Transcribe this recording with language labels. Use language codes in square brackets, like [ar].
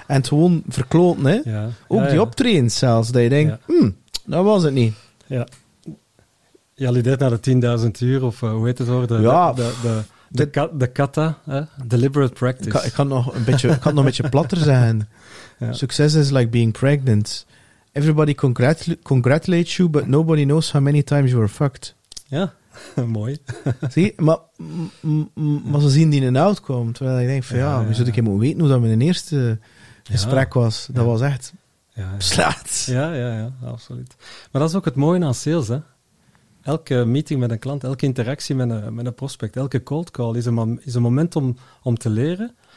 [nl] En het gewoon verkloten, hè. Ja. Ook ja, die optreden zelfs, dat je denkt, dat was het niet. Ja. Je alludeert naar de 10.000 uur, of hoe heet het hoor? De kata, hè? Deliberate practice. Ik kan nog een beetje platter zijn. Ja. [en] Success is like being pregnant. Everybody congratulates you, but nobody knows how many times you were fucked. [nl] Ja, mooi. Zie, maar ze zien die een outcome. Terwijl ik denk van we zullen een keer moeten weten hoe dat mijn eerste gesprek was. Dat was echt slaat. Ja, absoluut. Maar dat is ook het mooie aan sales, hè. Elke meeting met een klant, elke interactie met een prospect, elke cold call is een moment om te leren.